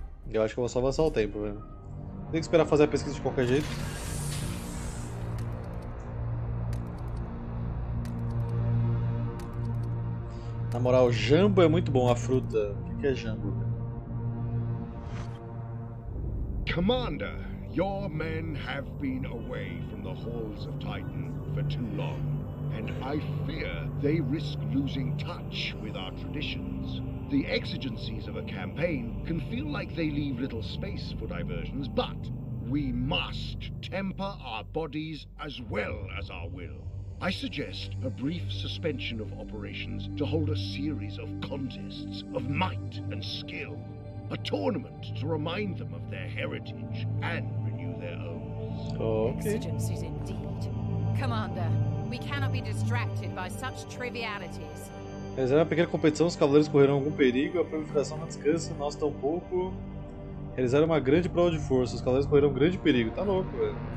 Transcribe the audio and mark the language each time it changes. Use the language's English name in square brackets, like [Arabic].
[Portuguese] Eu acho que eu vou só avançar o tempo, velho. Tem que esperar fazer a pesquisa de qualquer jeito. Na moral, jambo é muito bom, a fruta. O que é jambo? [English] Commander, your men have been away from the halls of Titan for too long, and I fear they risk losing touch with our traditions. The exigencies of a campaign can feel like they leave little space for diversions, but we must temper our bodies as well as our will. I suggest a brief suspension of operations to hold a series of contests of might and skill. A tournament to remind them of their heritage and renew their oaths. Okay. Exigencies indeed. Commander, we cannot be distracted by such trivialities. [Portuguese] Eles eram uma pequena competição, os cavaleiros correram algum perigo, a proliferação não descansa, nós tão pouco. Eles eram uma grande prova de força, os cavaleiros correram um grande perigo. Tá louco, velho.